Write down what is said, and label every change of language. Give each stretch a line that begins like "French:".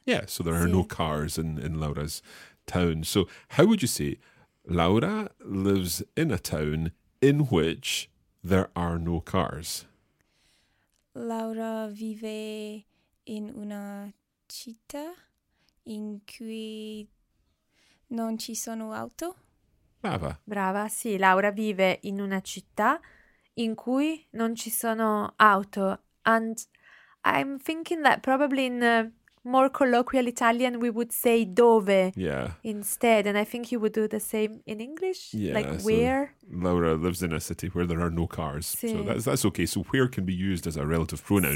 English: Yeah, so there are no cars in Laura's town. So how would you say Laura lives in a town in which there are no cars?
Italian: Laura vive in una città in cui non ci sono auto. Brava. Brava, sì. Laura vive in una città in cui non ci sono auto.
English: And I'm thinking that probably in more colloquial Italian we would say dove instead. And I think you would do the same in English, like where. So Laura lives in a city where there are no cars.
Italian: Sì.
English: So that's okay. So where can be used as a relative pronoun.